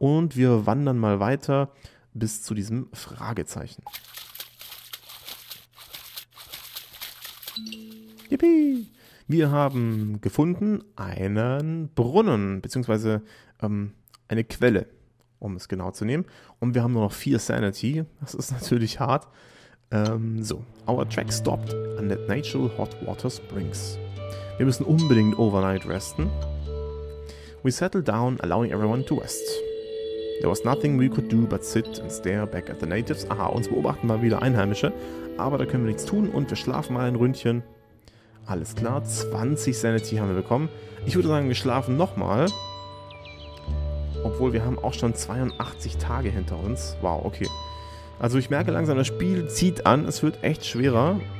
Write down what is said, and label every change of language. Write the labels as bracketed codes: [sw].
[de] Und wir wandern mal weiter bis zu diesem Fragezeichen. Yippie! Wir haben gefunden einen Brunnen, beziehungsweise eine Quelle, um es genau zu nehmen. Und wir haben nur noch 4 Sanity. Das ist natürlich hart. [en] So, our track stopped an the natural hot water springs. [de] Wir müssen unbedingt overnight resten. [en] We settled down, allowing everyone to rest. There was nothing we could do but sit and stare back at the natives. [de] Aha, uns beobachten mal wieder Einheimische. Aber da können wir nichts tun und wir schlafen mal ein Ründchen. Alles klar, 20 Sanity haben wir bekommen. Ich würde sagen, wir schlafen nochmal. Obwohl, wir haben auch schon 82 Tage hinter uns. Wow, okay. Also ich merke langsam, das Spiel zieht an. Es wird echt schwerer.